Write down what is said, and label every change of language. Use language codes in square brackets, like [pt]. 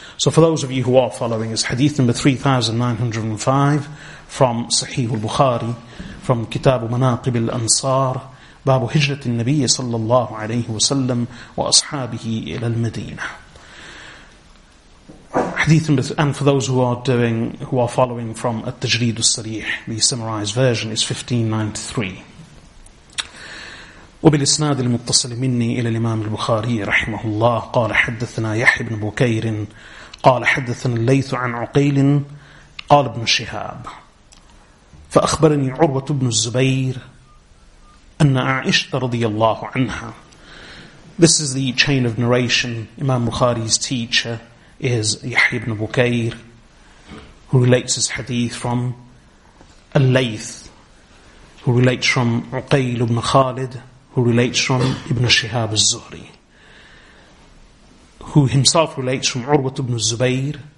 [en] So for those of you who are following, is hadith number 3905 from Sahih al-Bukhari, from Kitab Manaqib al-Ansar, [ar] باب هجرة النبي صلى الله عليه وسلم وأصحابه إلى المدينة. [en] Hadith, and for those who are following from At-Tajreed al-Sarih, the summarized version is 1593. [ar] وبالإسناد المتصل مني إلى الإمام البخاري رحمه الله قال حدثنا يحيى بن بكير قال حدثنا الليث عن عقيل قال ابن شهاب فأخبرني عروة بن الزبير أن عائشة رضي الله عنها. [en] This is the chain of narration. Imam Bukhari's teacher is Yahya ibn Bukayr, who relates his hadith from Al-Layth, who relates from Uqayl ibn Khalid, who relates from Ibn Shihab al-Zuhri, who himself relates from Urwat ibn Zubayr.